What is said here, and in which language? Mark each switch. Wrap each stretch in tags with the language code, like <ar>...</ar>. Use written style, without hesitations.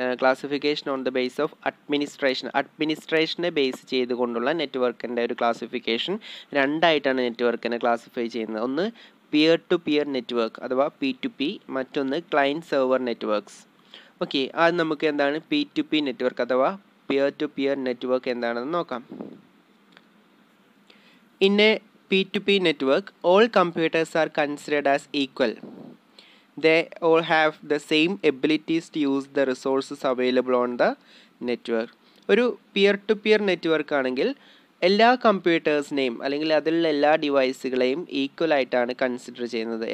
<en>classification on the base of administration,</en> <ml>അഡ്മിനിസ്ട്രേഷനെ base ചെയ്തുകൊണ്ടുള്ള നെറ്റ്വർക്കിൻ്റെ ഒരു classification. രണ്ടായിട്ടാണ് നെറ്റ്വർക്കിനെ ക്ലാസിഫൈ ചെയ്യുന്നത്. ഒന്ന് പിയർ ടു പിയർ നെറ്റ്വർക്ക് അഥവാ P2P, മറ്റൊന്ന് ക്ലയൻറ്റ് സെർവർ നെറ്റ്വർക്ക്സ്. ഓക്കെ, അത് നമുക്ക് എന്താണ് P2P നെറ്റ്വർക്ക് അഥവാ പിയർ ടു പിയർ നെറ്റ്വർക്ക് എന്താണെന്ന് നോക്കാം.</ml> <en>പിന്നെ P2P network, all computers are considered as equal. They all have the same abilities to use the resources available on the network.</en> <ml>ഒരു peer to peer network ആണെങ്കിൽ എല്ലാ കമ്പ്യൂട്ടേഴ്സിനെയും അല്ലെങ്കിൽ അതിലുള്ള എല്ലാ ഡിവൈസുകളെയും ഈക്വൽ ആയിട്ടാണ് കൺസിഡർ ചെയ്യുന്നത്.</ml>